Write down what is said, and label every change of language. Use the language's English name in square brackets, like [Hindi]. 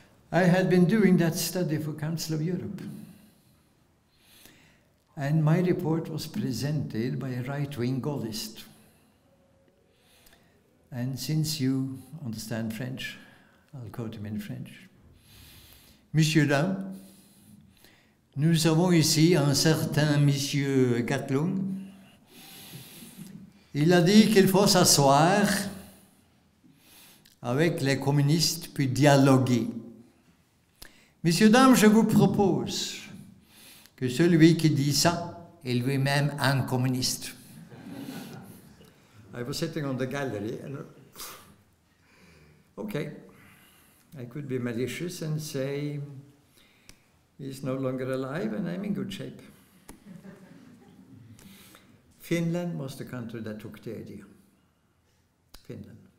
[English] I had been doing that study for Council of Europe. And my report was presented by a right-wing Gaullist. And since you understand French, I'll quote him in French. [French] Monsieur Dame, nous avons ici un certain Monsieur Galtung. Il a dit qu'il faut s'asseoir avec les communistes puis dialoguer. Monsieur Dame, je vous propose que celui qui dit ça est lui-même un communiste. [English] I was sitting on the gallery and okay, I could be malicious and say he's no longer alive and I'm in good shape. Finland was the country that took the idea. Finland.